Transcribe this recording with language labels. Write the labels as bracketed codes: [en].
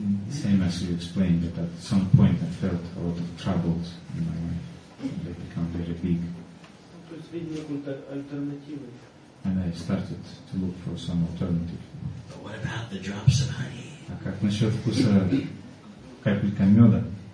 [en] Same as you explained, that at some point I felt a lot of troubles in my life. They become very big. [ru] Ну, то есть видели какую-то альтернативу. [en] And I started to look for some alternative. But what about the drops of honey? [ru] А как насчет вкуса капелька меда?